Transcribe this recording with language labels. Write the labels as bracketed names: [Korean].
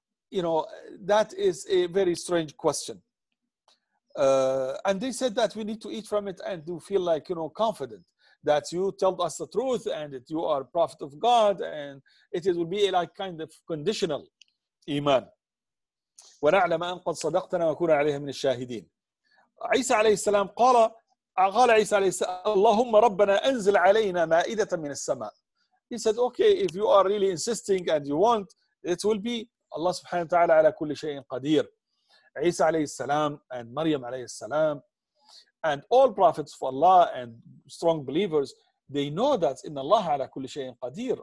[English] you know, that is a very strange question. And they said that we need to eat from it and to feel like, you know, confident that you tell us the truth and that you are prophet of God, and it will be like kind of conditional iman. [Arabic] ونعلم أن قد صدقتنا وكون عليها من الشاهدين. عيسى عليه السلام قال قال عيسى عليه السلام اللهم ربنا أنزل علينا مائدة من السماء. [English] He said, okay, if you are really insisting and you want, it will be. [Arabic] Allah سبحانه وتعالى على كل شيء قدير. عيسى عليه السلام and مريم عليه السلام [English] and all prophets of Allah and strong believers, they know that [Arabic] إن الله على كل شيء قدير.